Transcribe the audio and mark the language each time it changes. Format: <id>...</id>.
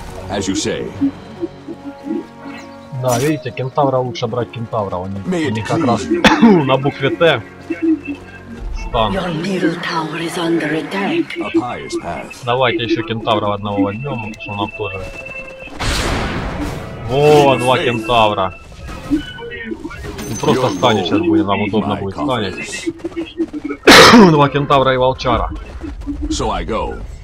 <en>As you say.</en> <ru>Да, видите, кентавра лучше брать кентавра, они как раз на букве Т стан.</ru> <en>Your middle tower is under attack.</en> <ru>Давайте еще кентавра одного возьмем, что нам тоже. Во, два кентавра. Просто станет сейчас будет, нам удобно будет станет. Два кентавра и волчара.</ru> <en>So I go.</en>